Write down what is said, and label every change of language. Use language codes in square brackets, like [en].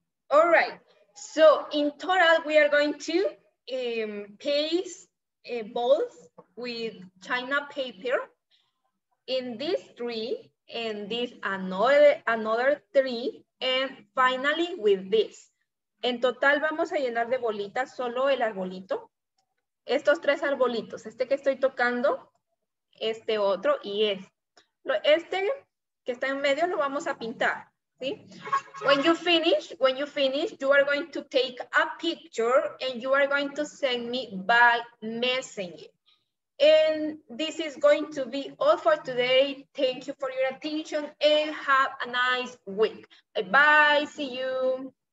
[en] All right, so in total, we are going to paste balls with China paper in these three, and this another three, and finally with this. [es] En total, vamos a llenar de bolitas solo el arbolito. Estos tres arbolitos, este que estoy tocando, este otro y este. Este que está en medio lo vamos a pintar. [en] When you finish, you are going to take a picture and you are going to send me by messenger. And this is going to be all for today. Thank you for your attention and have a nice week. Bye-bye. See you.